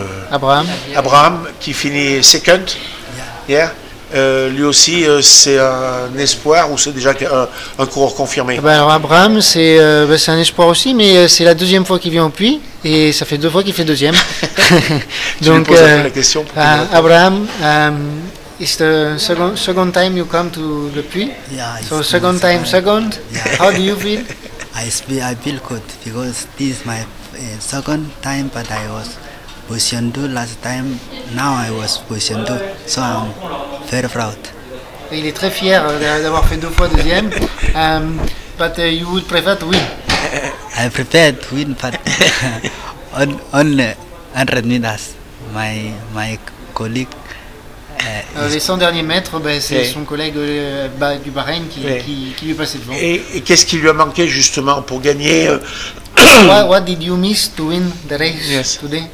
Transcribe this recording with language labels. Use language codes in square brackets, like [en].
[fr] Abraham. Abraham, qui finit second. Hier, lui aussi, c'est un espoir ou c'est déjà un coureur confirmé? Alors Abraham, c'est un espoir aussi, mais c'est la deuxième fois qu'il vient au Puy et ça fait deux fois qu'il fait deuxième. Donc, la question pour [en] Abraham, it's the second time you come to the Puy. Yeah, so second time, second. Yeah. How do you feel? I feel good because this is my second time, but I was position two last time. Now I was position two, so I'm very proud. [fr] Il est très fier d'avoir fait deux fois deuxième. [en] But you would prefer to win? I prefer to win, but on 100 meters, my colleague. [fr] Les 100 derniers mètres, c'est son collègue du Bahreïn qui lui passait devant. Et qu'est-ce qui lui a manqué justement pour gagner? [en] What did you miss to win the race today?